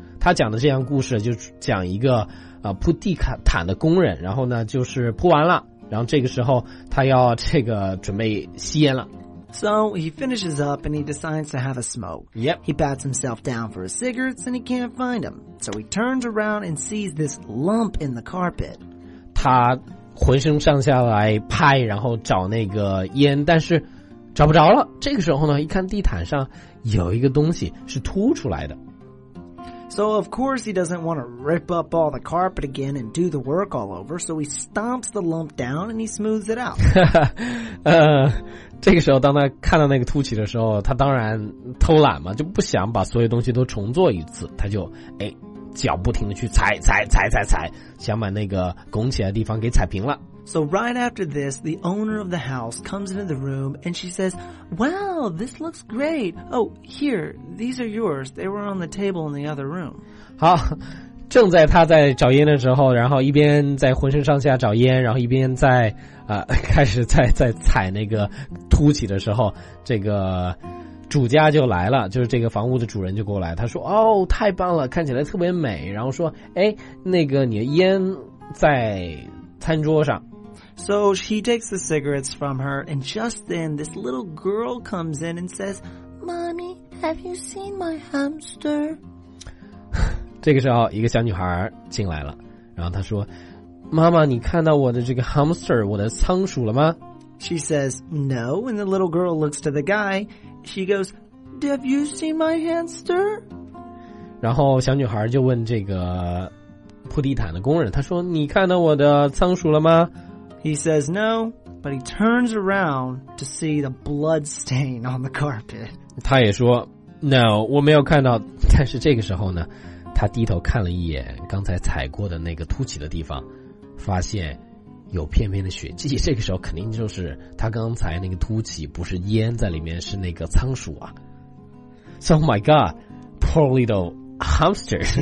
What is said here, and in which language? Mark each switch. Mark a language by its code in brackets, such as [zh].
[zh] 他讲的这样故事就讲一个铺地毯的工人，然后呢就是铺完了，然后这个时候他要这个准备吸烟了。 [en] So he finishes up and he decides to have a smoke. Yep. He pats himself down for his cigarettes and he can't find them. So he turns around and sees this lump in the carpet. [zh] 他浑身上下来拍，然后找那个烟，但是找不着了。这个时候呢，一看地毯上有一个东西是凸出来的。 [en] So of course he doesn't want to rip up all the carpet again and do the work all over, so he stomps the lump down and he smooths it out. [zh] 这个时候当他看到那个凸起的时候，他当然偷懒嘛，就不想把所有东西都重做一次，他就脚不停地去踩踩踩踩踩，想把那个拱起来的地方给踩平了。 [en] So right after this, the owner of the house comes into the room and she says, Wow, this looks great. Oh, here, these are yours. They were on the table in the other room. [zh] 好，正在他在找烟的时候，然后一边在浑身上下找烟，然后一边在开始在踩那个凸起的时候，这个主家就来了，就是这个房屋的主人就过来，他说，哦，太棒了，看起来特别美，然后说，那个你的烟在餐桌上。 [en] So he takes the cigarettes from her, and just then this little girl comes in and says, Mommy, have you seen my hamster? [zh] 这个时候一个小女孩进来了，然后她说，妈妈，你看到我的这个 hamster, 我的仓鼠了吗？ [en] She says, no, and the little girl looks to the guy. She goes, have you seen my hamster? [zh] 然后小女孩就问这个铺地毯的工人，她说，你看到我的仓鼠了吗？ [en] He says, no, but he turns around to see the blood stain on the carpet. [zh] 她也说， no, 我没有看到，但是这个时候呢，她低头看了一眼刚才踩过的那个凸起的地方，发现有片片的血迹，这个时候肯定就是他刚才那个凸起不是烟在里面，是那个仓鼠啊。 [en] Oh my god, poor little hamster.